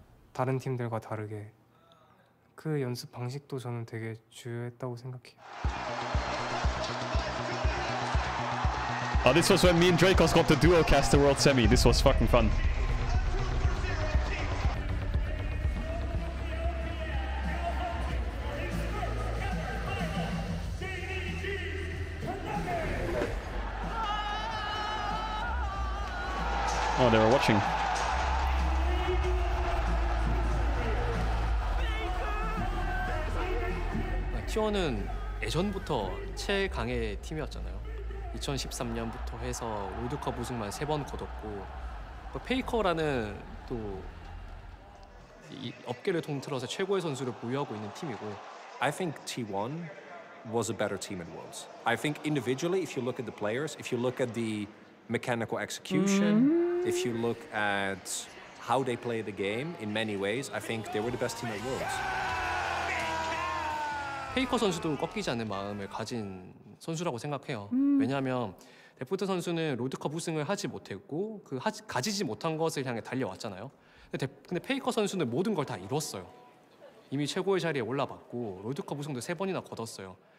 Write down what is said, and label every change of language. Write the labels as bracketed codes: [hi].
[ko] 다른 팀들과 다르게 그 연습 방식도 저는 되게 중요했다고 생각해요. [en] Oh, this was when me and Dracos got the duo cast the World Semi. This was fucking fun. Oh, they were watching. [ko] T1은 예전부터 최강의 팀이었잖아요. 2013년부터 해서 월드컵 우승만 세 번 거뒀고 페이커라는 또 이 업계를 통틀어서 최고의 선수를 보유하고 있는 팀이고. [en] I think T1 was a better team in Worlds. I think individually, if you look at the players, if you look at the mechanical execution, if you look at how they play the game, in many ways, I think they were the best team at Worlds. [ko] 페이커 선수도 꺾이지 않는 마음을 가진 선수라고 생각해요. 왜냐하면 데프트 선수는 로드컵 우승을 하지 못했고 그 가지지 못한 것을 향해 달려왔잖아요. 근데 페이커 선수는 모든 걸 다 이뤘어요. 이미 최고의 자리에 올라봤고 로드컵 우승도 세 번이나 거뒀어요.